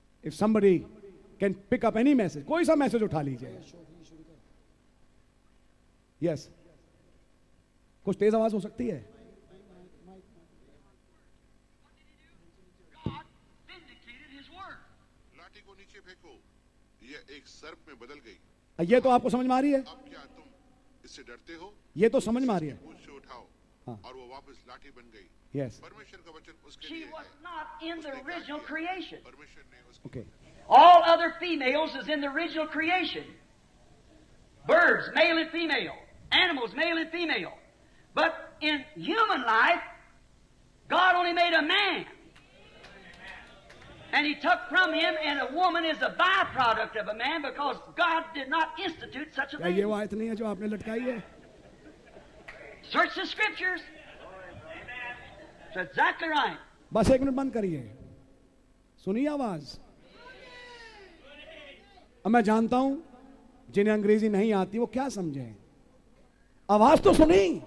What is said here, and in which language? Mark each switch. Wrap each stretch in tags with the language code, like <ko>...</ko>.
<en>If somebody can pick up any message,</en> <hi>कोई सा message उठा लीजिए। Yes, कुछ तेज आवाज हो सकती है। लाठी को नीचे फेंको, ये एक सर्प में बदल गई। ये तो आपको समझ में आ रही है? अब क्या तुम इससे डरते हो? ये तो समझ में आ रही है। मुझसे उठाओ, और वो वापस लाठी बन गई।</hi> <en>Yes.</en> <hi>परमेश्वर का वचन उसके लिए है।</hi> <en>She was not in the original creation.</en> <hi>परमेश्वर ने उसके</hi> <en>Okay. All other females is in the original creation. Birds, male and female. Animals, male and female. But in human life, God only made a man. And he took from him, and a woman is a byproduct of a man because God did not institute such a thing.</en> <hi>ये वो आयत नहीं है जो आपने लटकाई है?</hi> <en>Search the scriptures. Exactly right.</en> <hi>बस एक मिनट बंद करिए, सुनिए आवाज। अब मैं जानता हूं जिन्हें अंग्रेजी नहीं आती वो क्या समझे, आवाज तो सुनी।</hi>